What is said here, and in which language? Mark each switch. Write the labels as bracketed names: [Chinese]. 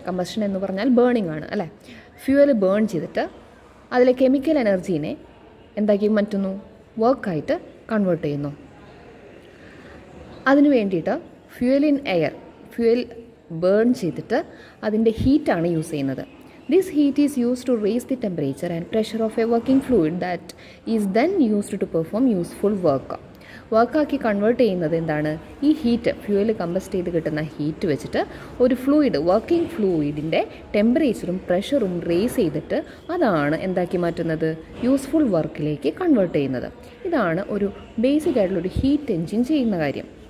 [Malayalam] Combustion എന്ന് പറഞ്ഞാൽ burning ആണ് അല്ലേ. ഫ്യൂവൽ ബേൺ ചെയ്തിട്ട് അതിലെ കെമിക്കൽ എനർജീനെ എന്താക്കി മാറ്റുന്നു, വർക്കായിട്ട് കൺവേർട്ട് ചെയ്യുന്നു. അതിനു വേണ്ടിയിട്ട് fuel in air, fuel burn ചെയ്തിട്ട് അതിൻ്റെ ഹീറ്റാണ് യൂസ് ചെയ്യുന്നത്. [English] This heat is used to raise the temperature and pressure of a working fluid that is then used to perform useful work. [Malayalam] Work ആക്കി convert ചെയ്യുന്നത് എന്താണ്? ഈ ഹീറ്റ്, ഫ്യൂവൽ കമ്പസ്റ്റ് ചെയ്ത് കിട്ടുന്ന heat വെച്ചിട്ട് ഒരു ഫ്ലൂയിഡ്, വർക്കിംഗ് ഫ്ലൂയിഡിൻ്റെ ടെമ്പറേച്ചറും പ്രഷറും റേസ് ചെയ്തിട്ട് അതാണ് എന്താക്കി മാറ്റുന്നത്, യൂസ്ഫുൾ വർക്കിലേക്ക് കൺവേർട്ട് ചെയ്യുന്നത്. ഇതാണ് ഒരു ബേസിക് ആയിട്ടുള്ള ഒരു ഹീറ്റ് എൻജിൻ ചെയ്യുന്ന കാര്യം.